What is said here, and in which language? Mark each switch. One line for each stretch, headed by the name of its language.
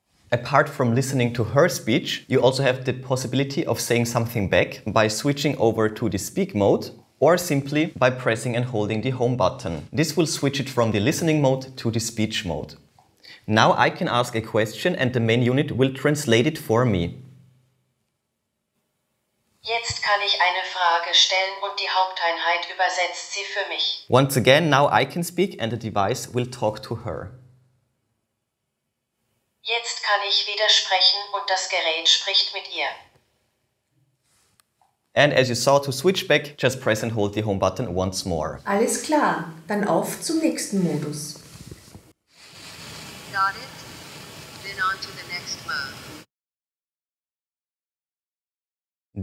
English: Apart from listening to her speech, you also have the possibility of saying something back by switching over to the speak mode or simply by pressing and holding the home button. This will switch it from the listening mode to the speech mode. Now I can ask a question and the main unit will translate it for me.
German: Jetzt kann ich eine Frage stellen und die Haupteinheit übersetzt sie für mich.
English: Once again, now I can speak and the device will talk to her.
German: Jetzt kann ich wieder sprechen und das Gerät spricht mit ihr.
English: And as you saw, to switch back, just press and hold the home button once more.
German: Alles klar, dann auf zum nächsten Modus.
English: Got it? Then on to the next mode.